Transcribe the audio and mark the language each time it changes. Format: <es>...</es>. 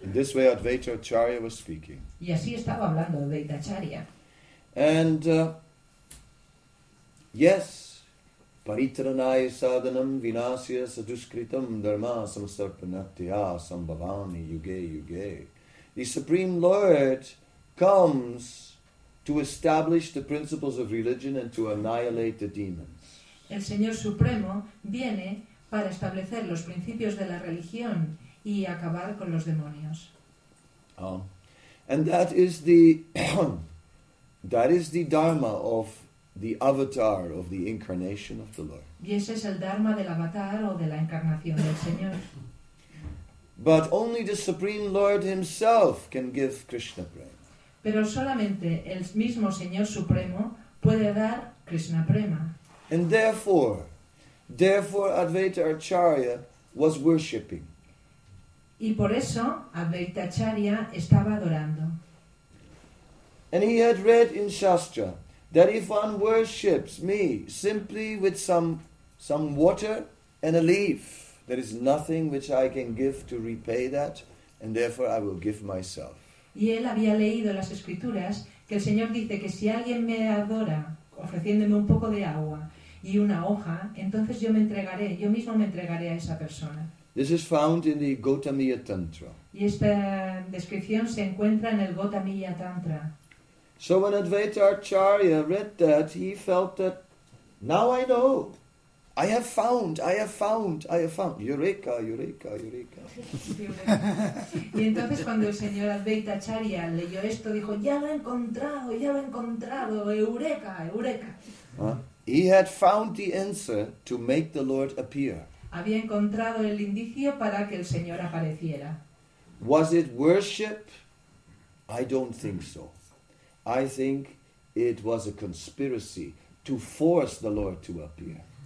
<en>In this way Advaita Acharya was speaking.</en> <es>Y así estaba hablando Advaita Acharya.</es> <en>And yes,</en> <sa>paritranaya sadhanam vinasya saduskritam dharma samsarpanatya sambhavami yuge yuge.</sa> <en>The Supreme Lord comes to establish the principles of religion and to annihilate the demons.</en> <es>El Señor Supremo viene para establecer los principios de la religión y acabar con los demonios.</es> <en>And that is the... That is the dharma of the avatar of the incarnation of the Lord.</en> <es>Y ese es el dharma del avatar o de la encarnación del Señor.</es> <en>But only the Supreme Lord himself can give Krishna prema.</en> <es>Pero solamente el mismo Señor Supremo puede dar Krishna prema.</es> <en>And therefore Advaita Acharya was worshipping.</en> <es>Y por eso Advaita Acharya estaba adorando.</es> <en>And he had read in Shastra that if one worships me simply with some water and a leaf, there is nothing which I can give to repay that, and therefore I will give myself.</en> <es>Y él había leído las escrituras que el Señor dice que si alguien me adora ofreciéndome un poco de agua y una hoja, entonces yo me entregaré, yo mismo me entregaré a esa persona.</es> <en>This is found in the Gotamiya Tantra.</en> <es>Y esta descripción se encuentra en el Gotamiya Tantra.</es> <en>So when Advaita Acharya read that, he felt that, now I know, I have found, Eureka, Eureka, Eureka.</en> <es>Y entonces cuando el señor Advaita Acharya leyó esto, dijo, ya lo he encontrado, Eureka, Eureka.</es> <en>He had found the answer to make the Lord appear.</en> <es>había encontrado el indicio para que el Señor apareciera.</es> <en>Was it worship? I don't think so. I think it was a conspiracy to force the Lord to appear.</en>